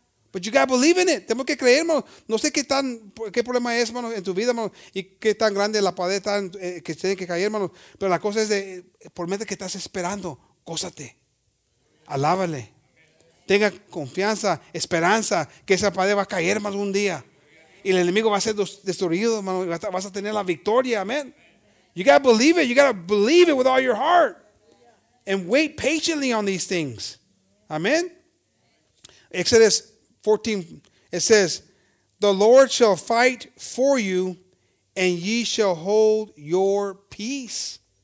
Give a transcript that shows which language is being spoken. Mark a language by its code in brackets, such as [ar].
[en] But you got to believe in it. [es] Tenemos que creer, hermano. No sé qué problema es, hermano, en tu vida, hermano, y qué tan grande la pared está que tiene que caer, hermano. Pero la cosa es de, por medio que estás esperando, gózate. Alábale. Tenga confianza, esperanza, que esa pared va a caer más un día. Y el enemigo va a ser destruido, hermano. Vas a tener la victoria, amén. [en] You got to believe it. You got to believe it with all your heart. And wait patiently on these things. Amén. Exodus 14, it says, "The Lord shall fight for you, and ye shall hold your peace."